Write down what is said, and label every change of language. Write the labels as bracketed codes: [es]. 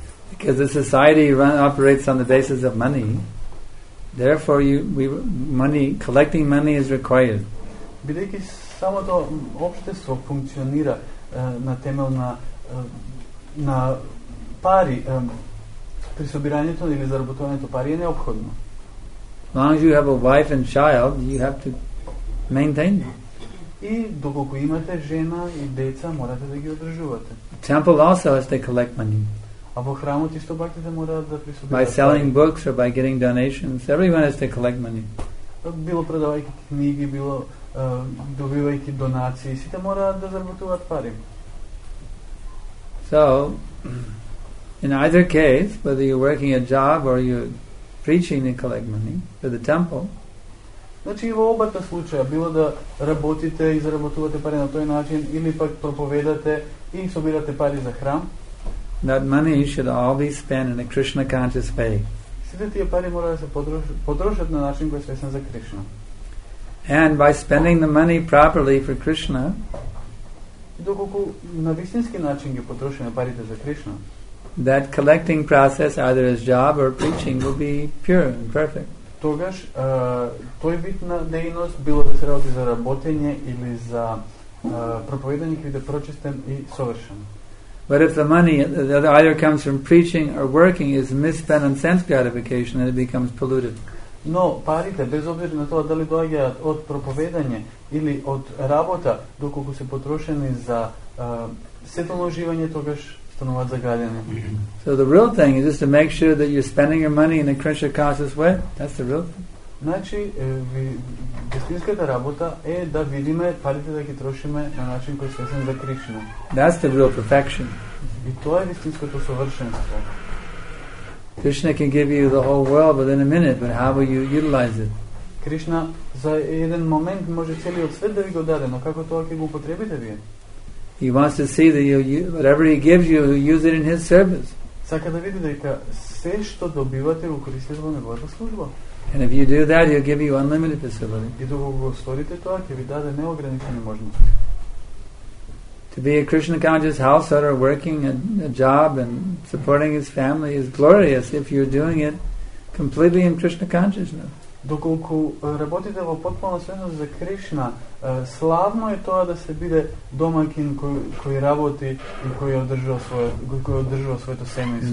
[en] because the society operates on the basis of money. Therefore collecting money is required. [mk] Бидејќи самото општество функционира на темел на пари, при собирањето или заработувањето пари е неопходно. [en] As long as you have a wife and child, you have to maintain them. [mk] И доколку имате жена и деца, морате да ги одржувате. [en] Temple also has to collect money. [mk] А во храмот исто бактите мора да присобираат. [en] By selling books or by getting donations, everyone has to collect money. [mk] било продавајќи книги, било добивајќи донации, сите мораат да заработуваат пари. [en] So, in either case, whether you're working a job or you're preaching and collect money for the temple, [mk] значи во обата случаја, било да работите и заработувате пари на тој начин или пак проповедате и собирате пари за храм, [en] that money should all be spent in a Krishna conscious way. [mk] Сите тие пари мора да се потрошат на начин кој е свесен за Кришна. [en] And by spending the money properly for Krishna, [mk] доколку на вистински начин ги потрошиме парите за Кришна, [en] that collecting process, either as job or preaching, will be pure and perfect. [mk] Тогаш, тој вид на дејност, било да се работи за работење или за проповедање, ќе биде прочистен и совршен. [en] But if the money that either comes from preaching or working is misspent on sense gratification, then it becomes polluted. [mk] Но парите, без обзир на тоа дали доаѓаат од проповедање или од работа, доколку се потрошени за сетално уживање, тогаш стануваат загадени. [en] So the real thing is just to make sure that you're spending your money in a Krishna conscious way. That's the real thing. [mk] Значи, вистинската работа е да видиме парите да ги трошиме на начин кој свесен за Кришна. [en] That's the real perfection. [mk] И тоа е вистинското совршенство. [en] Krishna can give you the whole world within a minute, but how will you utilize it? [mk] Krishna за еден момент може целиот свет да ви го даде, но како тоа ќе го употребите вие? [en] He wants to see that you, whatever he gives you, use it in his service. [mk] Сака да види дека се што добивате го користите во неговата служба. [en] And if you do that, he'll give you unlimited facility. [mk] И доколку го сторите тоа, ќе ви даде неограничени можности. [en] To be a Krishna conscious householder, working a job and supporting his family is glorious if you're doing it completely in Krishna consciousness. [mk] Доколку работите во потпуна свесност за Кришна, славно е тоа да се биде домакин кој работи и кој одржува своето семејство.